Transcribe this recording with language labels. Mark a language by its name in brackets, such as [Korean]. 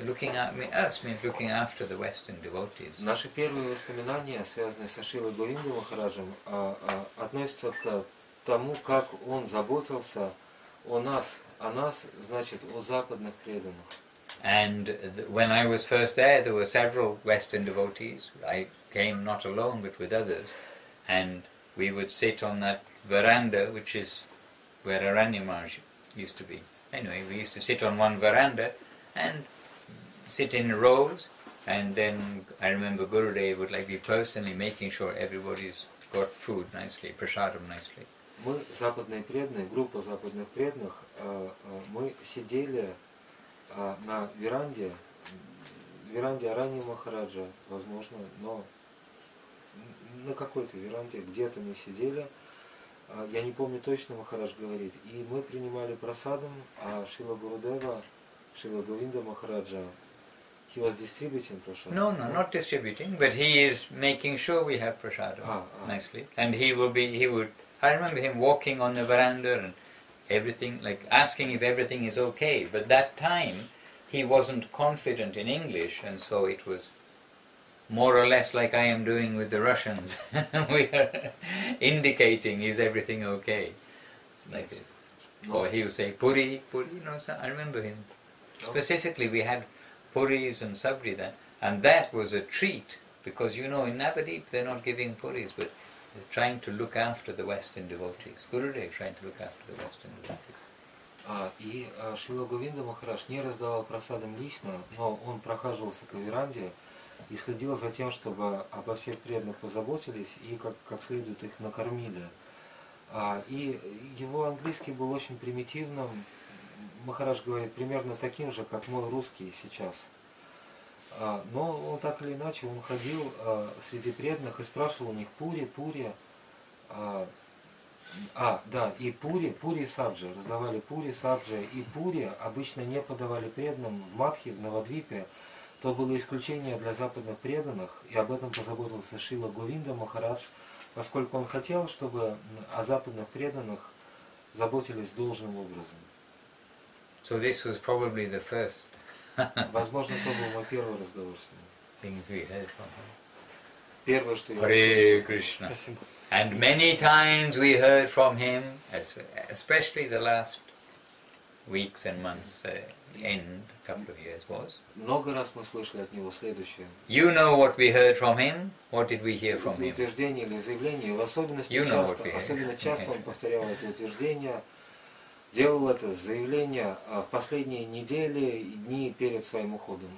[English] Looking at me, us means looking after the Western devotees. [Russian] Наши первые воспоминания, связанные со Шрилой Говинда Махараджем, относятся к тому, как он заботился о нас, значит, о западных преданных. [English] And when I was first there, there were several Western devotees. I came not alone, but with others. And we would sit on that veranda, which is where Aranya Maharaj used to be. Anyway, we used to sit on one veranda and sit in rows. And then I remember Gurudev would like be personally making sure everybody's got food nicely, prasadam nicely. [Russian] Мы западные преданные, группа западных преданных, мы сидели на веранде, веранде Арани Махараджа, возможно, но на какой-то веранде где-то мы сидели, я не помню точно, Махарадж говорит, и мы принимали прасадам, а Шрила Гурудева, Шрила Говинда Махараджа, [English] he was distributing prasadam. No, no, not distributing, but he is making sure we have prasadam nicely, and he will be, he would. I remember him walking on the veranda and everything, like asking if everything is okay. But that time, he wasn't confident in English, and so it was more or less like I am doing with the Russians. We are indicating, is everything okay? Like yes. This. Or he would say, puri, puri. You know, I remember him. Specifically, we had puris and sabri then. And that was a treat, because you know, in Navadvip, they're not giving puris, but trying to look after the Western devotees. Gurudev trying to look after the Western devotees. [Russian] И Шрила Говинда Махарадж не раздавал прасадам лично, но он прохаживался по веранде и следил за тем, чтобы обо всех преданных позаботились и как следует их накормили. И его английский был очень примитивным. Махарадж говорит, примерно таким же, как мой русский сейчас. Но он так или иначе, он ходил среди преданных и спрашивал у них пури, пури, да, и пури, пури и саджи, раздавали пури, саджи, и пури обычно не подавали преданным в Мадхи, в Навадвипе, то было исключение для западных преданных, и об этом позаботился Шрила Говинда Махарадж, поскольку он хотел, чтобы о западных преданных заботились должным образом. [English] So this was probably the first. [Russian] Возможно, это был мой первый разговор с ним. [English] Things we heard from him. [Russian] Первое, что я услышал. Hare Krishna. Спасибо. [English] And many times we heard from him, especially the last weeks and months, end, couple of years was. [Russian] Много раз мы слышали от него следующее. [English] You know what we heard from him? What did we hear from him? [Russian] Утверждение или заявление, в особенности [English] you know [Russian] часто, особенно часто он повторял это утверждение. Делал это заявление в последние недели и дни перед своим уходом.